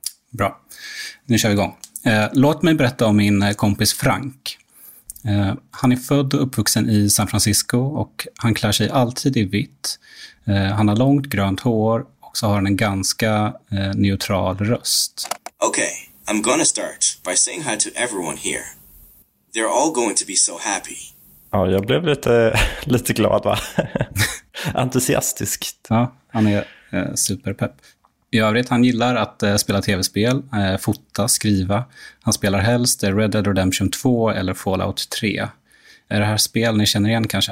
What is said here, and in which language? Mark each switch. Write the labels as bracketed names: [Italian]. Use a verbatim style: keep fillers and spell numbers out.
[Swedish] Bra, nu kör vi igång. Låt mig berätta om min kompis Frank. Han är född och uppvuxen i San Francisco och han klär sig alltid i vitt. Han har långt grönt hår så har han en ganska eh, neutral röst. [English] Okay, I'm gonna start by saying hi to everyone here. They're all going to be so happy. [Swedish] Ja, jag blev lite, lite glad va? Entusiastiskt. Ja, han är eh, superpepp. I övrigt, han gillar att eh, spela tv-spel, eh, fota, skriva. Han spelar helst Red Dead Redemption två eller Fallout tre. Är det här spel ni känner igen kanske?